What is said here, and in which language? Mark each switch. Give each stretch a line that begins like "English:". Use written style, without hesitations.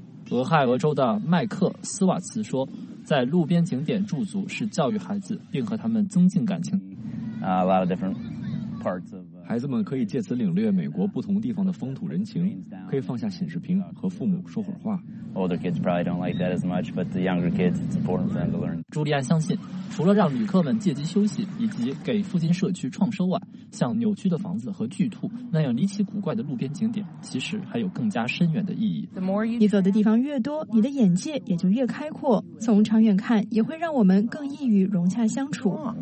Chinese: 俄亥俄州的麦克斯瓦茨说，在路边景点驻足是教育孩子并和他们增进感情。孩子们可以借此领略美国不同地方的风土人情，可以放下显示屏和父母说会儿话。
English: Older kids probably don't like that as much, but the younger kids, it's important for them to learn.
Chinese: 朱利安相信，除了让旅客们借机休息以及给附近社区创收外，像扭曲的房子和巨兔那样离奇古怪的路边景点，其实还有更加深远的意义。你走的地方越多，你的眼界也就越开阔，从长远看，也会让我们更易于融洽相处。